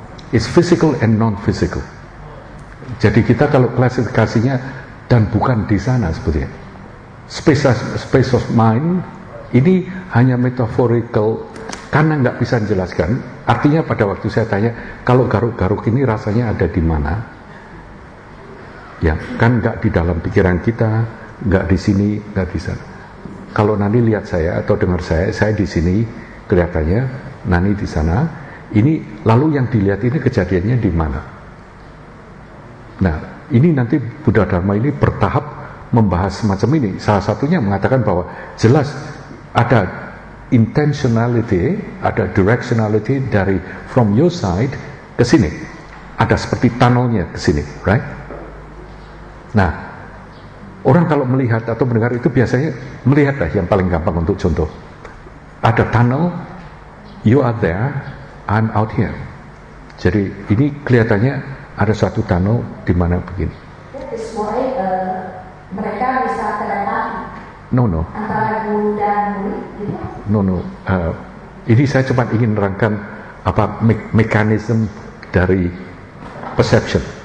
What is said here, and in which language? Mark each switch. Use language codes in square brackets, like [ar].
[en] It's physical and non-physical. [id] Jadi kita kalau klasifikasinya dan bukan di sana sebetulnya. [en] Space of mind [id] ini hanya metaphorical, karena nggak bisa dijelaskan. Artinya pada waktu saya tanya kalau garuk-garuk ini rasanya ada di mana? Ya, kan nggak di dalam pikiran kita. Enggak di sini, enggak di sana. Kalau Nani lihat saya atau dengar saya di sini kelihatannya, Nani di sana. Ini lalu yang dilihat ini kejadiannya di mana? Nah, ini nanti Buddha Dharma ini bertahap membahas semacam ini. Salah satunya mengatakan bahwa jelas ada intentionality, ada directionality dari [en] from your side [id] ke sini. Ada seperti tunnelnya ke sini, right? Nah, orang kalau melihat atau mendengar itu biasanya melihat lah yang paling gampang untuk contoh. [en] Ada tunnel, you are there, I'm out here. [id] Jadi ini kelihatannya ada suatu tunnel di mana begini. [en] That is why [id] mereka bisa terlihat. [en] No. [id] Antara guru dan murid. No. Ini saya cuma ingin nerangkan apa mekanisme dari perception.